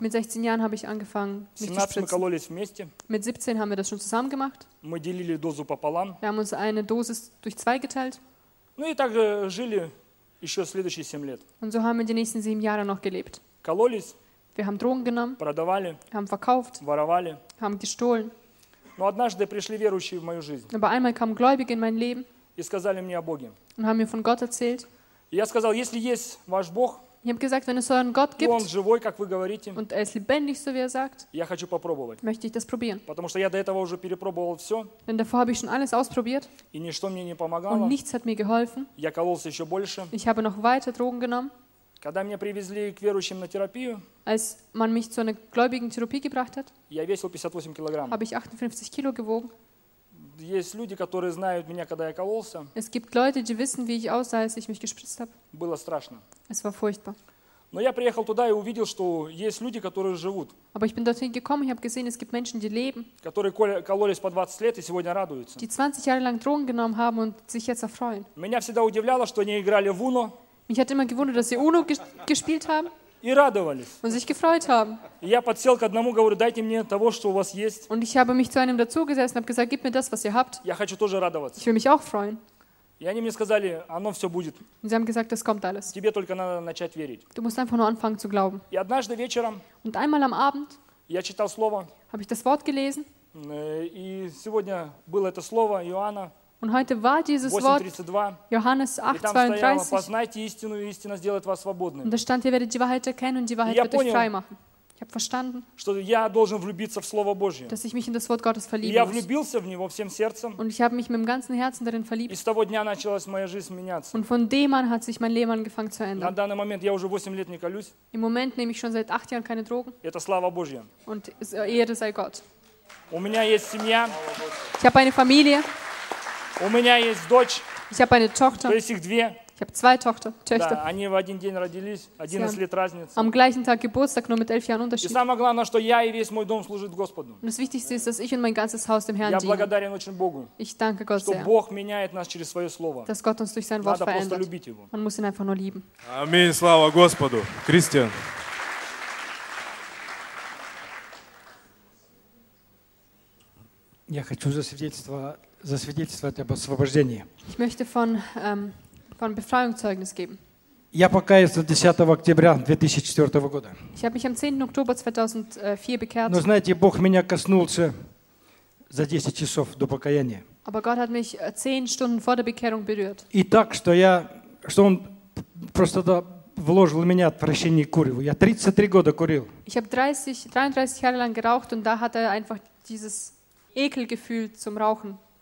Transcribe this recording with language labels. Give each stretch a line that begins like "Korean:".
German: Mit 16 Jahren habe ich angefangen, mich zu spritzen.
Russian: 17 мы кололись вместе.
German: Mit 17 haben wir das schon zusammen gemacht.
Russian: Мы делили дозу пополам.
German: Wir haben uns eine Dosis durch 2 geteilt.
Russian: Ну и так жили еще следующие 7 лет.
German: Und so haben wir die nächsten 7 Jahre noch gelebt.
Russian: Кололись.
German: Wir haben Drogen genommen.
Russian: Продавали.
German: Haben verkauft.
Russian: Воровали.
German: Haben gestohlen.
Russian: Но однажды пришли верующие в мою жизнь.
German: Aber einmal kamen Gläubige in mein Leben.
Russian: И сказали мне о Боге.
German: Und haben mir von Gott erzählt.
Russian: И я сказал, если есть ваш Бог,
German: ich habe gesagt, wenn es so einen Gott gibt,
Russian: он живой, как вы говорите,
German: und er ist lebendig, so wie er sagt,
Russian: я хочу попробовать.
German: Möchte ich das probieren.
Russian: Потому что я до этого уже перепробовал все.
German: Denn davor habe ich schon alles ausprobiert.
Russian: И ничто мне не помогало.
German: Und nichts hat mir geholfen.
Russian: Я кололся еще больше.
German: Ich habe noch weiter Drogen genommen.
Russian: Когда меня привезли к верующим на терапию,
German: als man mich zu einer gläubigen Therapie gebracht hat,
Russian: я весил 58 килограмм.
German: Habe ich 58 Kilo gewogen.
Russian: Есть люди, которые знают меня, когда я кололся.
German: Es gibt Leute, die wissen, wie ich aussah, als ich mich gespritzt habe.
Russian: Было страшно.
German: Es war furchtbar.
Russian: Но я приехал туда и увидел, что есть люди, которые живут.
German: Aber ich bin dorthin gekommen, ich habe gesehen, es gibt Menschen, die leben.
Russian: Которые кололись по 20 лет и сегодня радуются.
German: Die 20 Jahre lang Drogen genommen haben und sich jetzt erfreuen.
Russian: Меня всегда удивляло, что они играли в Uno.
German: Mich hat immer gewundert, dass sie Uno gespielt haben.
Russian: И радовались.
German: Und sich gefreut haben.
Russian: Я подсел к одному, говорю, дайте мне того, что у вас есть.
German: Und ich habe mich zu einem dazugesessen, habe gesagt, gib mir das, was ihr habt.
Russian: Я хочу тоже радоваться.
German: Ich will mich auch freuen.
Russian: И они мне сказали, оно все будет.
German: Sie haben gesagt, das kommt alles.
Russian: Тебе только надо начать верить.
German: Du musst einfach nur anfangen zu glauben.
Russian: И однажды вечером.
German: Und einmal am Abend.
Russian: Я читал слово.
German: Habe ich das Wort gelesen.
Russian: И сегодня было это слово Иоанна.
German: Und heute war dieses Wort, Johannes 8:32. Und da stand, ihr werdet die Wahrheit erkennen und die Wahrheit wird euch frei machen. Ich habe verstanden, dass ich mich in das Wort Gottes verlieben muss. Und ich habe mich mit dem ganzen Herzen darin verliebt. Und von dem an hat sich mein Leben angefangen zu ändern. Im Moment nehme ich schon seit 8 Jahren keine Drogen. Und Ehre sei Gott. Ich habe eine Familie.
Russian: У меня есть дочь.
German: Ich habe eine Tochter.
Russian: То есть их две.
German: Ich habe zwei Töchter.
Russian: Да, они в один день родились, 11 лет разница.
German: Am gleichen Tag Geburtstag, nur mit 11 Jahren Unterschied.
Russian: И самое главное, что я и весь мой дом служит Господу.
German: Und das Wichtigste ist, dass ich und mein ganzes Haus dem Herrn dienen.
Russian: Я благодарен очень Богу.
German: Ich danke Gott sehr.
Russian: Что Бог меняет нас через свое слово.
German: Dass Gott uns durch sein Wort verändert.
Russian: Надо просто любить его.
German: Man muss ihn einfach nur lieben.
Russian: Аминь, слава Господу, Кристиан. Я хочу засвидетельствовать об освобождении.
German: Ich möchte von Befreiung Zeugnis geben.
Russian: Я покаялся 10 октября 2004 года.
German: Ich habe mich am 10. Oktober 2004 bekehrt.
Russian: Но знаете, Бог меня коснулся за 10 часов до покаяния.
German: Aber Gott hat mich 10 Stunden vor der Bekehrung berührt.
Russian: И так, что он просто вложил в меня отвращение к куреву. Я 33 года курил.
German: Ich habe 33 Jahre lang geraucht und da hat er einfach dieses Ekelgefühl zum Rauchen.